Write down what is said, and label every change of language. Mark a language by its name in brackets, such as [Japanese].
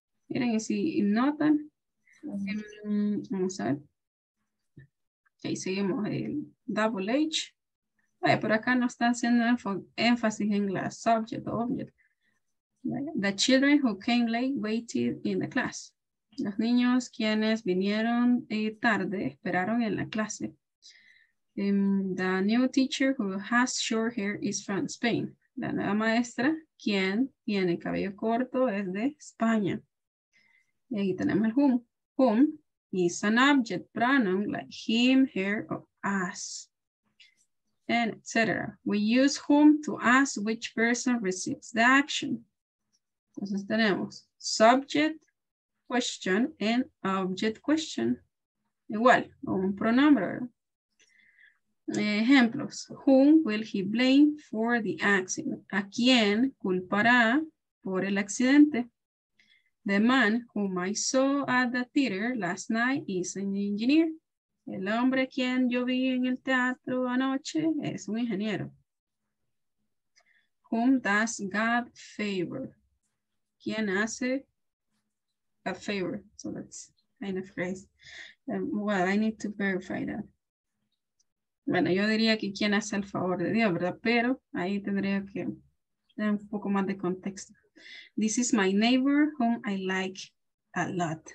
[Spanish] Miren, y si notan, vamos a ver, ahí seguimos el double H. Vaya, pero acá no está haciendo énfasis en la subject o object. [English] The children who came late waited in the class. [Spanish] Los niños quienes vinieron tarde esperaron en la clase. [English] The new teacher who has short hair is from Spain. [Spanish] La nueva maestra, quien tiene cabello corto, es de España. Y ahí tenemos el whom. [English] Whom is an object pronoun like him, her, or us. And etc. We use whom to ask which person receives the action. [Spanish] Entonces tenemos [English] subject question and object question. [Spanish] Igual, un pronombre. Ejemplos. [English] Whom will he blame for the accident? [Spanish] ¿A quién culpará por el accidente? [English] The man whom I saw at the theater last night is an engineer. [Spanish] El hombre quien yo vi en el teatro anoche es un ingeniero. [English] Whom does God favor? [Spanish] ¿Quién hace a favor? [English] So that's kind of phrase. Well, I need to verify that. [Spanish] Bueno, yo diría que quién hace el favor de Dios, ¿verdad? Pero ahí tendría que dar un poco más de contexto. [English] This is my neighbor whom I like a lot.